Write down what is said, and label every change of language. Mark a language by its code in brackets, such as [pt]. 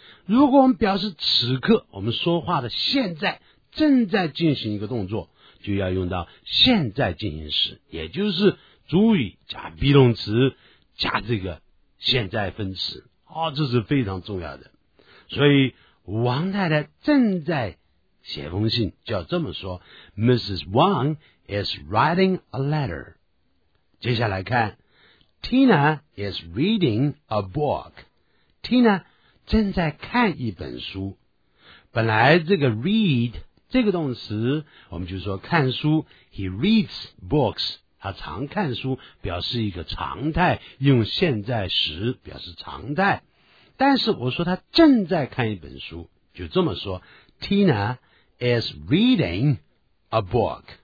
[zh] 如果我们表示此刻我们说话的现在正在进行一个动作，就要用到现在进行时，也就是主语加 be 动词加这个现在分词，这是非常重要的。所以王太太正在写封信，就要这么说， Mrs. [en] Wang is writing a letter。 [zh] 接下来看 [en] Tina is reading a book， [zh] Tina 正在看一本书。本来这个 read这个动词我们就说看书， [en] He reads books， [zh] 他常看书，表示一个常态，用现在时表示常态。但是我说他正在看一本书，就这么说， [en] Tina is reading a book。